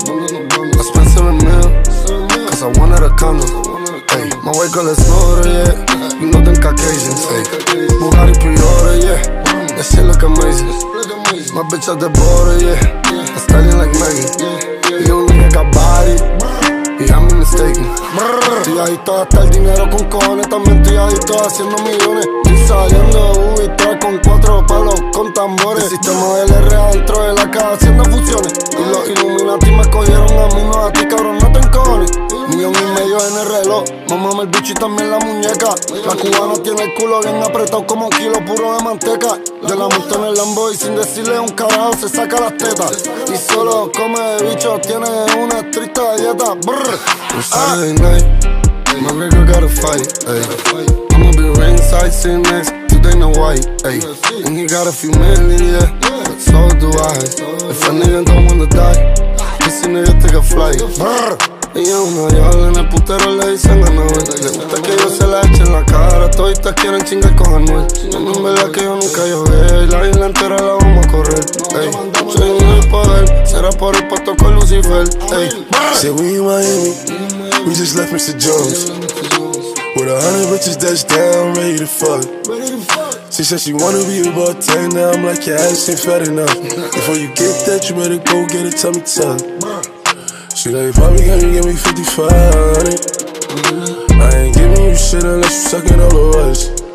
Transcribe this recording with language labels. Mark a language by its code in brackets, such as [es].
[en] I spent 7 mil, cause I wanted a condo. Ay, my white girl is older, yeah. You know them Caucasians, ay. Bugatti pre-order, yeah. That shit look amazing. My bitch at the border, yeah. I study like Megan. You don't think I got body? Yeah, I'm mistaken. [es] Estoy adicto a gastar dinero con cojones. También estoy adicto a haciendo millones. Y saliendo de Ubi, trae con 4 palos con tambores. El sistema del R adentro de la caja haciendo fusiones. Y los Illuminati me cogieron a mí, no a ti, cabrón, no te encojones. 1,000,000 en el reloj. Mamame el bicho y también la muñeca. La cubana tiene el culo bien apretado como kilo puro de manteca. Yo la monto en el Lambo y sin decirle un carajo se saca las tetas. Y solo come de bicho, tiene una estricta dieta. [en] On Saturday night, my nigga gotta fight, ayy. I'ma be ringside sitting next to Dana White, ayy. And he got a few million, yeah, but so do I. If a nigga don't wanna die, this nigga take a flight, brr. [es] Y a una diabla en el putero le dicen a Noel. Le gusta que yo se la eche en la cara. Toditas quieren chingar con Anuel. No, en verdad que yo nunca llogué. La isla entera la vamos a correr. Ey, soy un poder. Será por el pato con Lucifer. [en] Ey, say we in Miami. We just left Mr. Jones. With 100 bitches that's down, ready to fuck. She said she wanna be a bartender. I'm like, your ass ain't fat enough. Before you get that, you better go get a tummy tuck. She like, probably can you give me 5,500? I ain't giving you shit unless you suckin' all of us.